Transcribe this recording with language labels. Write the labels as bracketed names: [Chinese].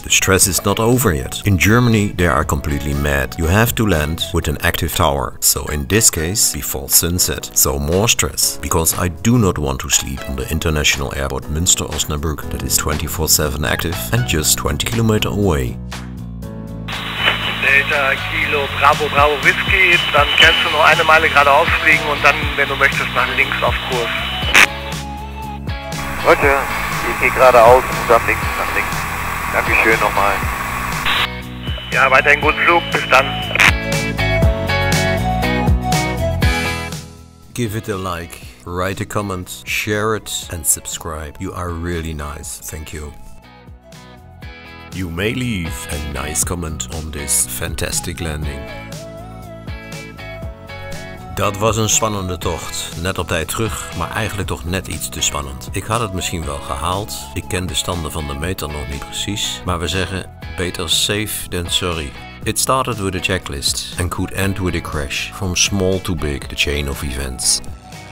[English] The stress is not over yet. In Germany, they are completely mad. You have to land with an active tower. So in this case, before sunset. So more stress. Because I do not want to sleep on the international airport Münster-Osnabrück that is 24/7 active and just 20 km away. [German] Delta Kilo Bravo Bravo Whiskey, dann kannst du noch eine Meile geradeaus fliegen und dann, wenn du möchtest, nach links auf Kurs. Roger, ich gehe geradeaus und dann links, nach links. Dankeschön nochmal. Ja, weiterhin guten Flug, bis dann. [English] Give it a like, write a comment, share it and subscribe. You are really nice, thank you. You may leave a nice comment on this fantastic landing. [Dutch] Dat was een spannende tocht. Net op tijd terug, maar eigenlijk toch net iets te spannend. Ik had het misschien wel gehaald. Ik ken de standen van de meter nog niet precies. Maar we zeggen, beter [English] safe than sorry. It started with a checklist and could end with a crash. From small to big, the chain of events.